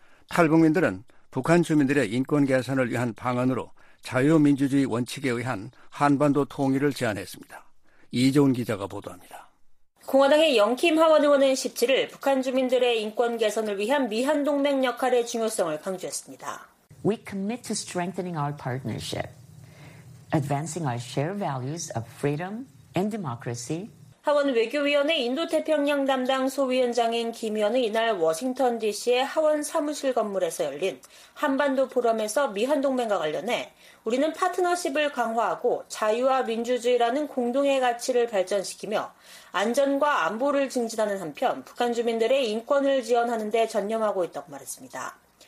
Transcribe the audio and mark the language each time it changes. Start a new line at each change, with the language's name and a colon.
Korean: 탈북민들은 북한 주민들의 인권 개선을 위한 방안으로 자유민주주의 원칙에 의한 한반도 통일을 제안했습니다. 이재훈 기자가 보도합니다. 공화당의 영킴 하원 의원은 17일 북한 주민들의 인권 개선을 위한 미한 동맹 역할의 중요성을 강조했습니다.
English: We commit to strengthening our partnership, advancing our shared values of freedom and democracy.
Korean: 하원 외교위원회 인도태평양 담당 소위원장인 김 의원은 이날 워싱턴 DC의 하원 사무실 건물에서 열린 한반도 포럼에서 미한 동맹과 관련해 우리는 파트너십을 강화하고 자유와 민주주의라는 공동의 가치를 발전시키며 안전과 안보를 증진하는 한편 북한 주민들의 인권을 지원하는 데 전념하고 있다고 말했습니다.